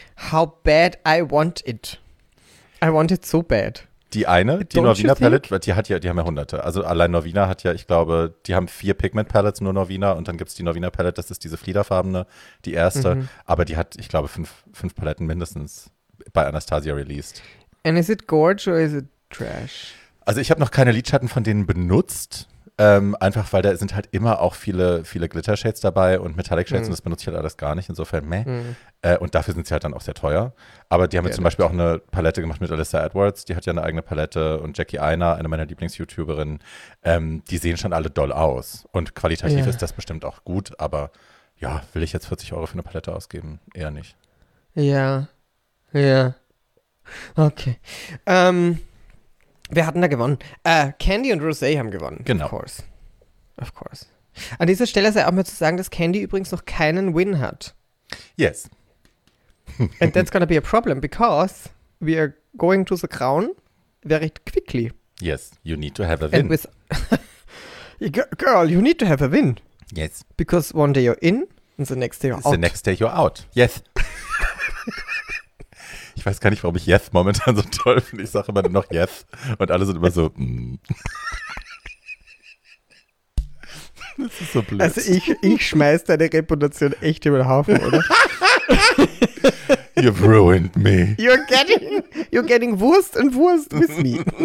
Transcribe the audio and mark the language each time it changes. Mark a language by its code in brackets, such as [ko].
[en] How bad I want it. I want it so bad. [de] Die eine, die Don't Norvina Pallett, die haben ja hunderte. Also allein Norvina hat ja, ich glaube, die haben 4 Pigment Palettes, nur Norvina. Und dann gibt es die Norvina Pallett, das ist diese fliederfarbene, die erste. Mhm. Aber die hat, ich glaube, 5 Paletten mindestens bei Anastasia released. [en] And is it gorge or is it trash? [de] Also ich habe noch keine Lidschatten von denen benutzt. Einfach weil da sind halt immer auch viele, viele Glitter-Shades dabei und Metallic-Shades und das benutze ich halt alles gar nicht. Insofern, meh. Mm. Und dafür sind sie halt dann auch sehr teuer. Aber die haben jetzt zum Beispiel auch eine Palette gemacht mit Alyssa Edwards. Die hat ja eine eigene Palette und Jackie Einer, eine meiner Lieblings-YouTuberinnen. Die sehen schon alle doll aus. Und qualitativ ist das bestimmt auch gut. Aber ja, will ich jetzt 40 Euro für eine Palette ausgeben? Eher nicht. Ja. Ja. Okay. Wer hat denn da gewonnen? Candy und Rosé haben gewonnen. Genau. [en] Of course. Of course. [de] An dieser Stelle sei auch mal zu sagen, dass Candy übrigens noch keinen Win hat. [en] Yes. And that's gonna be a problem, because we are going to the crown very quickly. Yes, you need to have a win. And with girl, you need to have a win. Yes. Because one day you're in, and the next day you're out. The next day you're out. Yes. [de] Ich weiß gar nicht, warum ich Yes momentan so toll finde. Ich sage immer nur noch Yes. Und alle sind immer so, Das ist so blöd. Also ich schmeiß deine Reputation echt über den Haufen, oder? [en] You've ruined me. You're getting worse and worse with me.